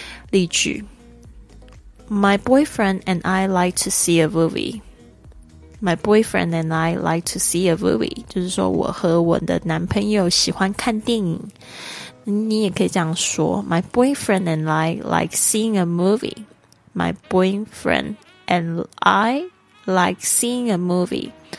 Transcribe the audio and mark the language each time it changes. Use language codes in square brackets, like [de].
[en] 例句 My boyfriend and I like to see a movie. My boyfriend and I like to see a movie. [zh] 就是说我和我的男朋友喜欢看电影。你也可以这样说 [en] My boyfriend and I like seeing a movie. My boyfriend and I like seeing a movie.